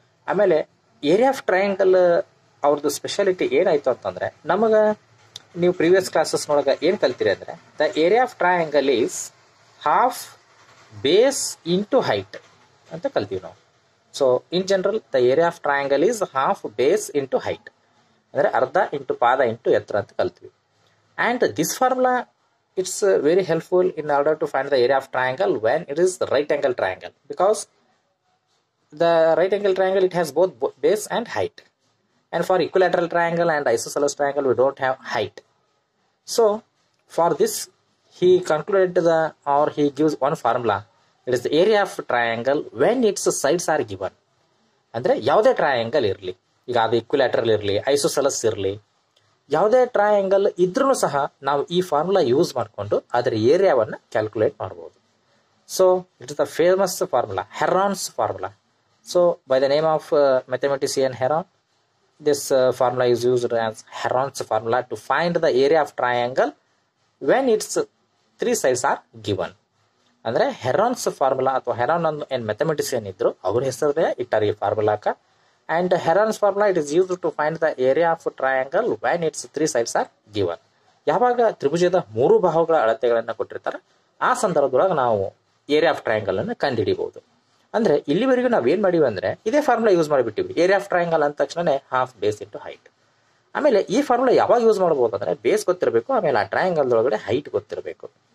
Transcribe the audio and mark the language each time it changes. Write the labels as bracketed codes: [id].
[kn] ಆಮೇಲೆ area of triangle ಅವ್ರದ್ದು speciality ಏನಾಯ್ತು ಅಂತಂದ್ರೆ, ನಮಗೆ ನೀವು ಪ್ರೀವಿಯಸ್ ಕ್ಲಾಸಸ್ ನೊಳಗೆ ಏನು ಕಲ್ತೀರಿ ಅಂದರೆ, [en] the area of triangle is half base into height [kn] ಅಂತ ಕಲ್ತೀವಿ ನಾವು. [en] so in general the area of triangle is half base into height, [kn] ಅಂದರೆ ಅರ್ಧ ಇಂಟು ಪಾದ ಇಂಟು ಎತ್ತರ ಅಂತ ಕಲ್ತೀವಿ. [en] And this formula it's very helpful in order to find the area of triangle when it is right angle triangle, because the right angle triangle it has both base and height, and for equilateral triangle and isosceles triangle we don't have height. So for this he concluded the, or he gives one formula, it is the area of triangle when its sides are given. [kn] Andre yavade triangle irli, iga adu equilateral irli isosceles irli, ಯಾವುದೇ triangle ಇದ್ರೂ ಸಹ ನಾವು ಈ formula use ಮಾಡಿಕೊಂಡು ಅದರ ಏರಿಯಾವನ್ನು calculate ಮಾಡ್ಬೋದು. [en] So it is the famous formula, Heron's formula. So by the name of mathematician Heron, this formula is used as Heron's formula to find the area of triangle when it's three sides are given. [kn] ಅಂದರೆ Heron's formula ಅಥವಾ Heron ಅನ್ನು ಏನು ಮ್ಯಾಥಮೆಟಿಸಿಯನ್ ಇದ್ರು ಅವ್ರ ಹೆಸರೇ ಇಟ್ಟಾರೆ ಈ ಫಾರ್ಮುಲಾಕ. [en] And Heron's formula, it is used to find the area of a triangle when its three sides are given. [kn] ಯಾವಾಗ ತ್ರಿಭುಜದ ಮೂರು ಭಾಗಗಳ ಅಳತೆಗಳನ್ನು ಕೊಟ್ಟಿರ್ತಾರೆ ಆ ಸಂದರ್ಭದೊಳಗೆ ನಾವು ಏರಿಯಾ ಆಫ್ ಟ್ರಯಾಂಗಲ್ ಅನ್ನು ಕಂಡುಹಿಡಿಬಹುದು. ಅಂದರೆ ಇಲ್ಲಿವರೆಗೂ ನಾವು ಏನು ಮಾಡಿವಿ ಅಂದರೆ ಇದೇ formula use ಮಾಡಿಬಿಟ್ಟಿವಿ, area of triangle ಅಂದ ತಕ್ಷಣನೇ [en] Half base into height. [kn] ಆಮೇಲೆ ಈ ಫಾರ್ಮುಲಾ ಯಾವಾಗ ಯೂಸ್ ಮಾಡ್ಬೋದು ಅಂದರೆ ಬೇಸ್ ಗೊತ್ತಿರಬೇಕು, ಆಮೇಲೆ ಆ ಟ್ರಯಾಂಗಲ್ದೊಳಗಡೆ ಹೈಟ್ ಗೊತ್ತಿರಬೇಕು.